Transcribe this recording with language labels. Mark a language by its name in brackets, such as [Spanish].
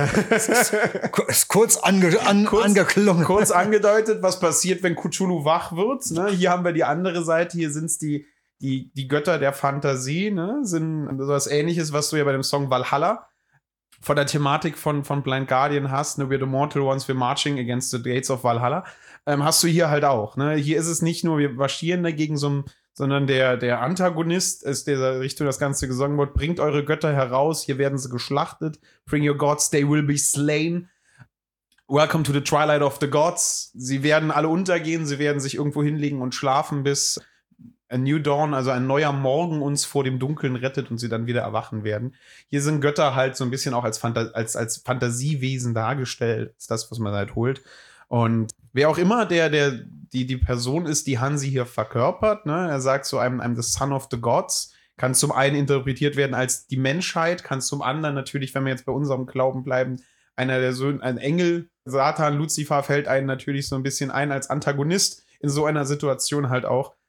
[German] Es ist kurz angeklungen. Kurz angedeutet, was passiert, wenn Cthulhu wach wird. Ne? Hier haben wir die andere Seite. Hier sind es die Götter der Fantasie. Ne? Sind so was Ähnliches, was du ja bei dem Song Valhalla von der Thematik von Blind Guardian hast. [English] Ne? We're the mortal ones, we're marching against the gates of Valhalla. [German] Hast du hier halt auch. Ne? Hier ist es nicht nur, wir marschieren dagegen, sondern der Antagonist, ist der Richtung das Ganze gesungen wird, bringt eure Götter heraus, hier werden sie geschlachtet. [English] Bring your gods, they will be slain. Welcome to the twilight of the gods. [German] Sie werden alle untergehen, sie werden sich irgendwo hinlegen und schlafen, bis [English] a new dawn, [German] also ein neuer Morgen uns vor dem Dunkeln rettet und sie dann wieder erwachen werden. Hier sind Götter halt so ein bisschen auch als Fantasiewesen dargestellt, ist das, was man halt holt. Und wer auch immer die Person ist, die Hansi hier verkörpert, ne, er sagt so, [English] I'm the son of the gods, [German] kann zum einen interpretiert werden als die Menschheit, kann zum anderen natürlich, wenn wir jetzt bei unserem Glauben bleiben, einer der Söhne, ein Engel, Satan, Lucifer fällt einem natürlich so ein bisschen ein als Antagonist in so einer Situation halt auch.